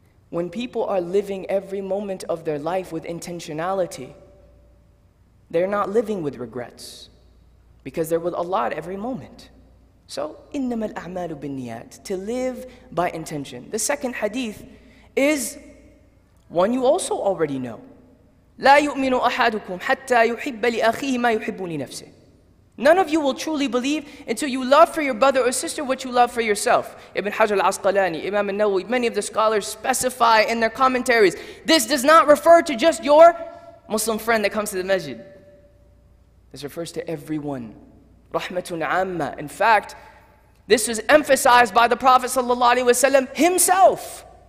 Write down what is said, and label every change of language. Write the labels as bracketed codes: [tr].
[en] When people are living every moment of their life with intentionality, they're not living with regrets, because they're with Allah at every moment. So, [ar] إنما الأعمال بالنيات, [en] to live by intention. The second hadith is one you also already know. [ar] لا يؤمن أحدكم حتى يحب لأخيه ما يحب لنفسه. [en] None of you will truly believe until you love for your brother or sister what you love for yourself. Ibn Hajar al-Asqalani, Imam al-Nawawi, many of the scholars specify in their commentaries, this does not refer to just your Muslim friend that comes to the masjid. This refers to everyone. Rahmatun amma. In fact, this was emphasized by the Prophet sallallahu alaihi wasallam himself.